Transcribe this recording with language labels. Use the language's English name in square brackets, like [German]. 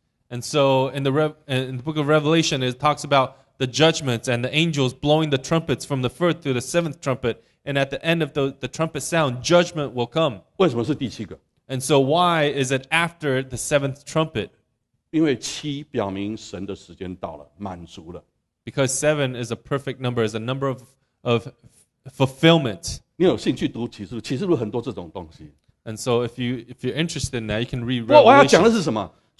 [English] And so in the book of Revelation, it talks about the judgments and the angels blowing the trumpets from the first through the seventh trumpet. And at the end of the trumpet sound, judgment will come. [Chinese] 为什么是第七个? [English] And so why is it after the seventh trumpet? [Chinese] 因为七表明神的时间到了，满足了。 [English] Because seven is a perfect number, is a number of fulfillment. [Chinese] 你有兴趣读启示录，启示录很多这种东西。 [English] And so if you're interested in that, you can read Revelation.